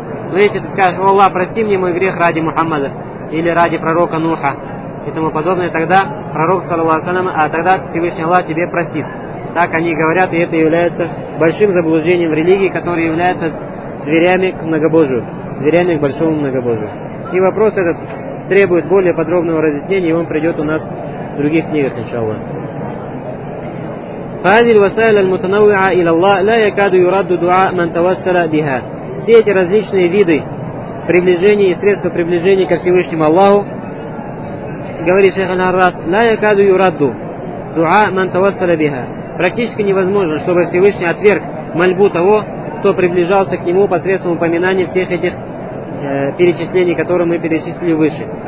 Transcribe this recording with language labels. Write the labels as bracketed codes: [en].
[ru] Но если ты скажешь: «О Аллах, прости мне мой грех ради Мухаммада или ради пророка Нуха» и тому подобное, тогда пророк, саллаллаху алейхи ва саллям, а тогда Всевышний Аллах тебе простит. Так они говорят, и это является большим заблуждением в религии, которое является дверями к многобожию, дверями к большому многобожию. И вопрос этот требует более подробного разъяснения, и он придет у нас в других книгах, иншаллах. [ar] فهذه الوسائل المتنوعة إلى الله لا يكاد يرد دعاء من توسل بها. [ru] все эти различные виды приближения и средства приближения ко Всевышнему Аллаху, говорит шейх Аль-Арраз, [ar] «Ла якаду юрадду дуа ман таваса биха». [ru] Практически невозможно, чтобы Всевышний отверг мольбу того, кто приближался к нему посредством упоминания всех этих перечислений, которые мы перечислили выше.